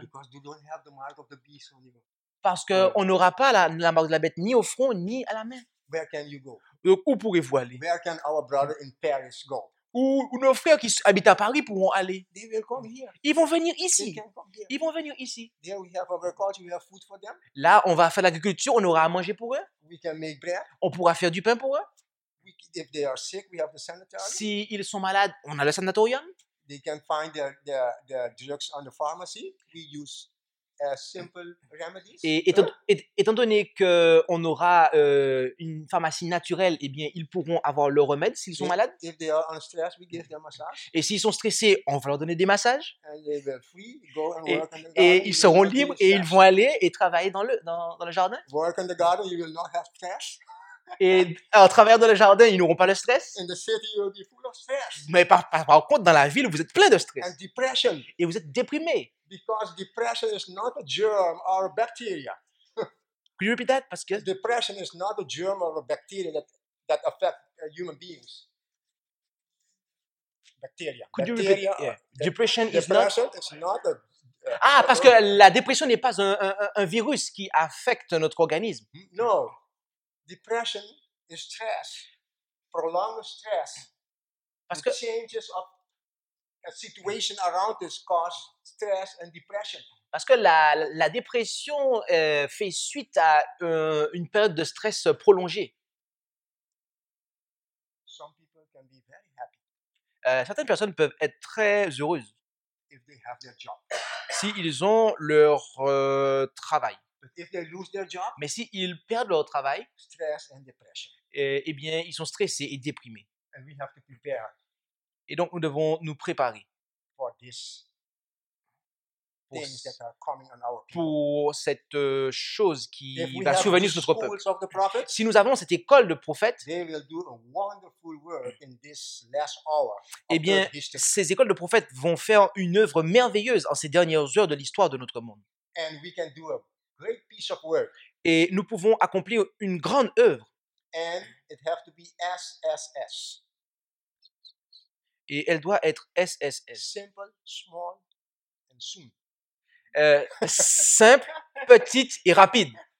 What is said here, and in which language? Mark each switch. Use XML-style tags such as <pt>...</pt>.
<en>Because we don't have the mark of the beast on you.</en> <fr>Parce que on n'aura pas la marque de la bête ni au front ni à la main.</fr> <en>Where can you go?</en> <fr>Donc, où pourrez-vous aller?</fr> <en>Where can our brother in Paris go?</en> <fr>Où nos frères qui habitent à Paris pourront aller?</fr> <en>They will come here.</en> <fr>Ils vont venir ici.</fr> <en>They can come here.</en> <fr>Ils vont venir ici.</fr> <en>There we have our culture, we have food for them.</en> <fr>Là, on va faire l'agriculture, on aura à manger pour eux.</fr> <en>We can make bread.</en> <fr>On pourra faire du pain pour eux.</fr> <en>If they are sick, we have the sanatorium.</en> <fr>Si ils sont malades, on a le sanatorium.</fr> <en>They can find their drugs on the pharmacy. We use simple remedies.</en> <fr>Et étant donné qu'on aura une pharmacie naturelle, eh bien, ils pourront avoir leur remède s'ils sont malades.</fr> <en>If they are on stress, we give them massage.</en> <fr>Et s'ils sont stressés, on va leur donner des massages.</fr> <en>And they will free, go and</en> <fr>et,</fr> <en>work in the garden.</en> <fr>Et ils seront libres et ils vont aller et travailler dans le jardin.</fr> <en>Work in the garden, you will not have stress.</en> <fr>Et à travers dans le jardin, ils n'auront pas le stress.</fr> <en>In the city, you'll be full of stress.</en> <fr>Mais par contre, dans la ville, vous êtes plein de stress.</fr> <en>And depression.</en> <fr>Et vous êtes déprimé.</fr> <en>Because depression is not a germ or a bacteria. Could you repeat that?</en> <fr>Parce que</fr> <en>depression is not a germ or a bacteria that affect human beings. Bacteria. Could bacteria you repeat? Yeah. Depression, depression is not. Depression is not a.</en> <fr>Parce que la dépression n'est pas un virus qui affecte notre organisme.</fr> <en>No. Depression is stress, prolonged stress.</en> <fr>Parce que</fr> <en>the changes of a situation around us cause stress and depression.</en> <fr>Parce que la dépression fait suite à une période de stress prolongée.</fr> <en>Some people can be very happy.</en> <fr>Certaines personnes peuvent être très heureuses</fr> <en>if they have their job.</en> <fr>Si ils ont leur travail.</fr> <en>But if they lose their job,</en> <fr>mais si ils perdent leur travail,</fr> <en>stress and depression.</en> <fr>Eh bien, ils sont stressés et déprimés.</fr> <en>And we have to prepare.</en> <fr>Et donc, nous devons nous préparer</fr> <en>for this things that are coming on our people.</en> <fr>Pour cette chose qui va survenir sur notre peuple.</fr> <en>Of the prophets,</en> <fr>si nous avons cette école de prophètes,</fr> <en>they will do a wonderful work in this last hour.</en> <fr>Eh bien, ces écoles de prophètes vont faire une œuvre merveilleuse en ces dernières heures de l'histoire de notre monde.</fr> <en>And we can do a great piece of work.</en> <fr>Et nous pouvons accomplir une grande œuvre.</fr> <en>And it have to be SSS.</en> <fr>Et elle doit être SSS.</fr> <en>Simple, small, and soon.</en> <fr>Simple, petite et rapide.</fr>